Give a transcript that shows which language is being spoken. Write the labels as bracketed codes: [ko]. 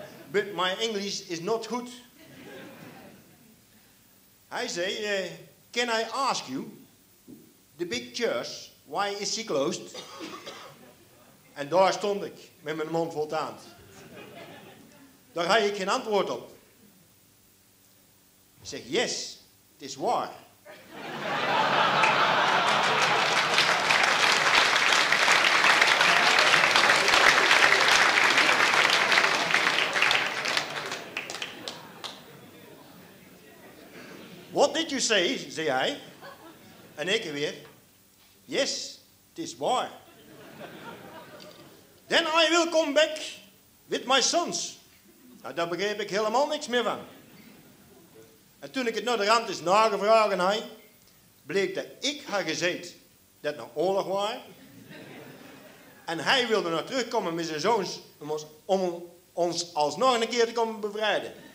[en] But my English is not good. [nl] Hij zei, [en] can I ask you, the big church, why is she closed? [nl] En daar stond ik, met mijn mond vol tand. Daar had ik geen antwoord op. Ik zeg, yes. Het is waar. [en] What did you say, [nl] zei hij. En ik weer. Yes, het is waar. [en] Then I will come back with my sons. [nl] Nou, daar begreep ik helemaal niks meer van. En toen ik het naar de rand is nagevraagd, bleek dat ik had gezegd dat het oorlog was. En hij wilde nog terugkomen met zijn zoons om ons alsnog een keer te komen bevrijden.